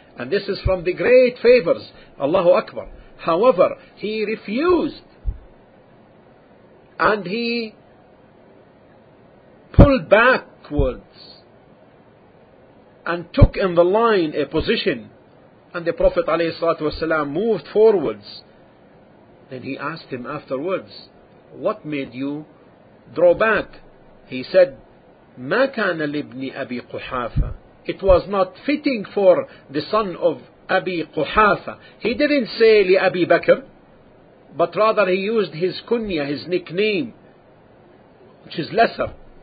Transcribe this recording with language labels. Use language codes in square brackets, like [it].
[en] And this is from the great favors, Allahu Akbar. However, he refused, and he pulled backwards and took in the line a position, and the Prophet alayhi salatu wasalam moved forwards. Then he asked him afterwards, what made you draw back? He said, [ar] ما كان لابن أبي قحافة. [en] It was not fitting for the son of Abi Quhafa. He didn't say li Abi Bakr, but rather he used his kunya, his nickname, which is lesser.